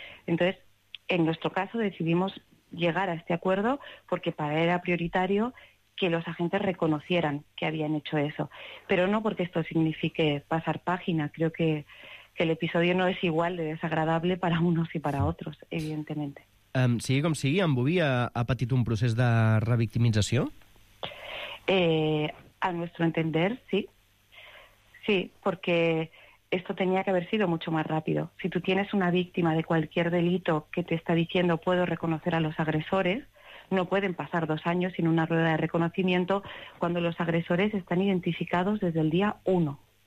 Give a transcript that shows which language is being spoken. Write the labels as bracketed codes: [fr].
[es] Entonces, en nuestro caso decidimos llegar a este acuerdo porque para él era prioritario que los agentes reconocieran que habían hecho eso, pero no porque esto signifique pasar página. Creo que el episodio no es igual de desagradable para unos y para otros, evidentemente. [ca] Sigui com sigui, en Bubí ha patit un procés de revictimització? [es] A nuestro entender, sí. Sí, porque esto tenía que haber sido mucho más rápido. Si tú tienes una víctima de cualquier delito que te está diciendo puedo reconocer a los agresores, no pueden pasar 2 años sin una rueda de reconocimiento cuando los agresores están identificados desde el día 1.